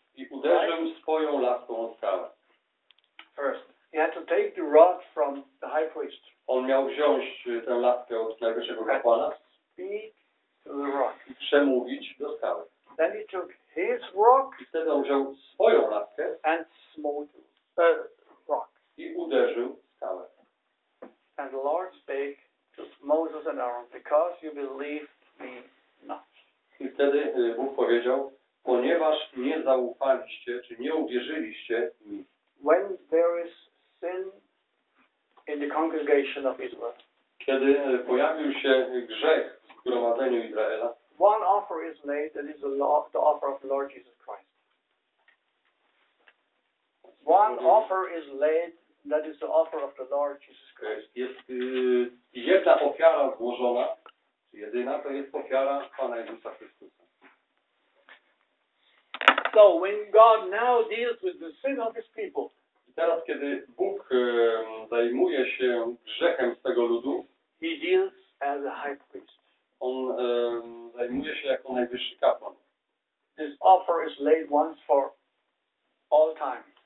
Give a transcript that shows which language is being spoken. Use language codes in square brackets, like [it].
[pl] I uderzył swoją laską o skałę. [en] First, he had to take the rod from the high priest. [pl] On miał wziąć tę laskę od najwyższego kapłana. [en] Speak to the rock. [pl] I przemówić do skały. [en] Then he took his rock. [pl] I wtedy on wziął swoją laskę. [en] And smote the rock. [pl] I uderzył skałę. [en] And the Lord spake to Moses and Aaron, because you believed me not. [pl] I wtedy Bóg powiedział, ponieważ nie zaufaliście, czy nie uwierzyliście mi. [en] When there is sin in the congregation of Israel. [pl] Kiedy pojawił się grzech w zgromadzeniu Izraela. [en] One offer is made that is the offer of the Lord Jesus Christ. One offer is laid that is the offer of the Lord Jesus Christ. [pl] Jest jedna ofiara złożona, jedyna to jest ofiara Pana Jezusa Chrystusa. [en] So when God now deals with the sin of his people, [pl] teraz kiedy Bóg zajmuje się grzechem swego ludu, [en] he deals as a high priest. [pl] On zajmuje się jako najwyższy kapłan. [en] This offer is laid once for all time.